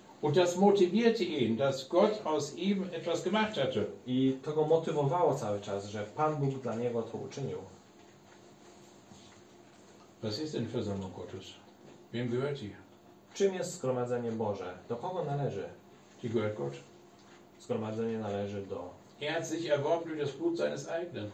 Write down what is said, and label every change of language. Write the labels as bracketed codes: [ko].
[de] Und das motivierte ihn, dass Gott aus ihm etwas gemacht hatte. [pl] I to go motywowało cały czas, że Pan Bóg dla niego to uczynił. [de] Was ist denn Versammlung Gottes? Wem gehört sie? [pl] Czym jest zgromadzenie Boże? Do kogo należy? [de] Die gehört Gott. [pl] Zgromadzenie należy do... [de] Er hat sich erworben durch das Blut seines eigenen.